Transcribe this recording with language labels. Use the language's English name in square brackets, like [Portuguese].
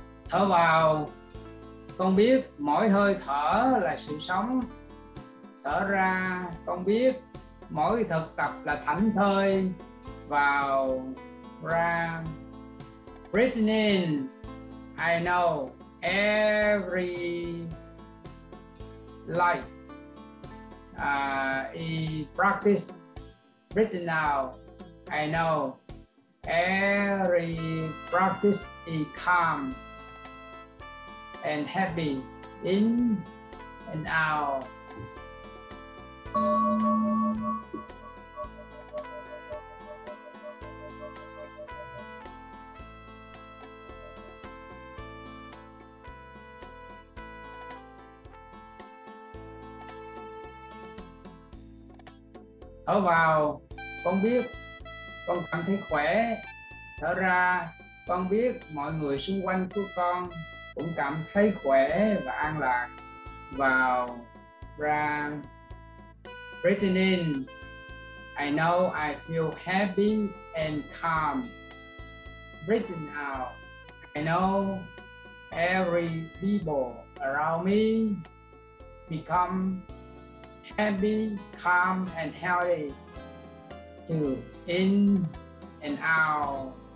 [Vietnamese] Thở vào, con biết mỗi hơi thở là sự sống. Thở ra, con biết mỗi thực tập là thảnh thơi. Vào, ra. [English] Breathing in, I know every life is practice. Breathing out, I know every practice is calm and happy in and out. [Vietnamese] Thở vào, con biết con cảm thấy khỏe. Thở ra, con biết mọi người xung quanh của con cũng cảm thấy khỏe và an lạc. Vào, ra. [English] Breathing in, I know I feel happy and calm. Breathing out, I know every people around me become happy, calm and healthy to in and out.